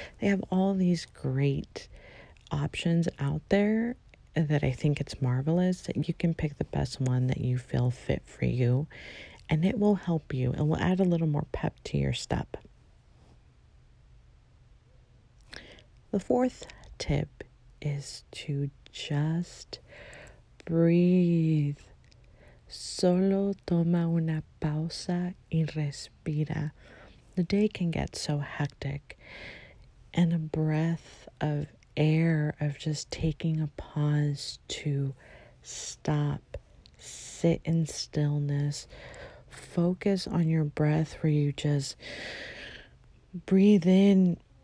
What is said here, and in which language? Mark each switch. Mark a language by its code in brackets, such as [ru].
[en] They have all these great options out there that I think it's marvelous that you can pick the best one that you feel fit for you, and it will help you and will add a little more pep to your step. The fourth tip is to just breathe. [es] Solo toma una pausa y respira. [en] The day can get so hectic, and a breath of air, of just taking a pause to stop, sit in stillness, focus on your breath where you just breathe in.